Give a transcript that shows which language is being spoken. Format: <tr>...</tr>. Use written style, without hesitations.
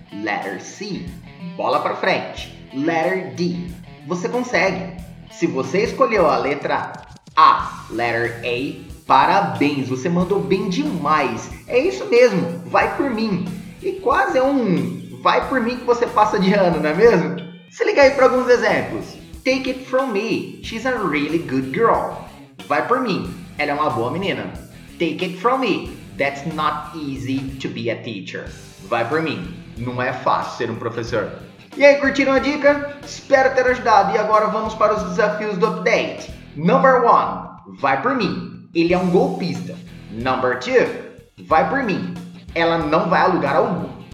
<pt>Letter C, bola pra frente. Letter D, você consegue. Se você escolheu a letra A, letter A, parabéns, você mandou bem demais. É isso mesmo, vai por mim. E quase é um vai por mim que você passa de ano, não é mesmo? Se liga aí para alguns exemplos.</pt> <en>Take it from me, she's a really good girl.</en> <pt>Vai por mim, ela é uma boa menina.</pt> <en>Take it from me, that's not easy to be a teacher.</en> <pt>Vai por mim, não é fácil ser um professor. E aí, curtiram a dica? Espero ter ajudado e agora vamos para os desafios do update. Number 1, vai por mim, ele é um golpista. Number 2, vai por mim, ela não vai a lugar algum.</pt>